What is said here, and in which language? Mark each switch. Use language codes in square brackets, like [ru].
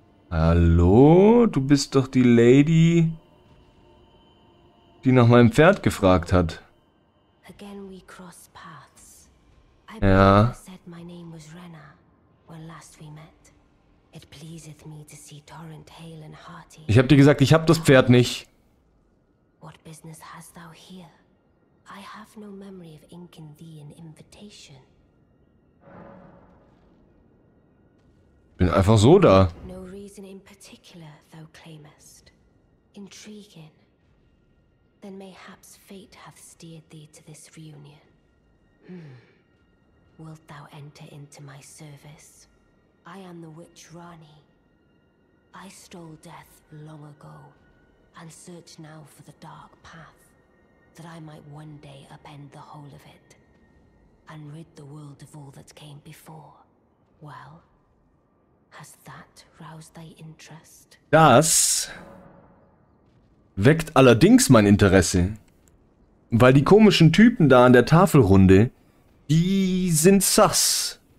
[de] Hallo? Du bist doch die Lady, die nach meinem Pferd gefragt hat. [en] Again we cross paths. I believe you said my name was Renna when last we met. It pleaseth me to see Torrent hale and hearty. [de] Ich hab dir gesagt, ich hab das Pferd nicht. [en] What business hast thou here? I have no memory of inking thee an invitation. [de] Bin einfach so da. [en] No reason in particular thou claimest. Intriguing. Then mayhaps fate hath steered thee to this reunion. Wilt thou enter into my service? I am the witch Rani. I stole death long ago, and search now for the dark path, that I might one day upend the whole of it, and rid the world of all that came before. Well, has that roused thy interest? [de] Das weckt allerdings mein Interesse, weil die komischen Typen da an der Tafelrunde, die sind sass.